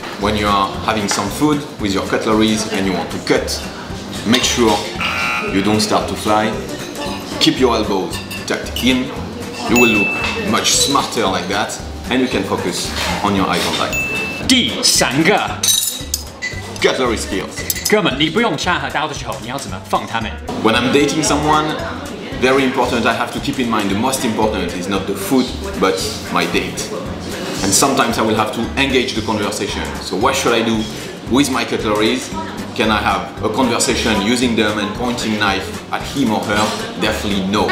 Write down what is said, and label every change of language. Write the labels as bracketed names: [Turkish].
[English] When you are having some food with your cutleries and you want to cut, make sure you don't start to fly. Keep your elbows tucked in. You will look much smarter like that, and you can focus on your eye contact. [Chinese] 第三个 [English] cutlery skills. [Chinese] 哥们，你不用叉和刀的时候，你要怎么放他们？ [English] When I'm dating someone, very important, I have to keep in mind the most important is not the food, but my date. And sometimes I will have to engage the conversation. So what should I do with my cutleries? Can I have a conversation using them and pointing knife at him or her? Definitely no.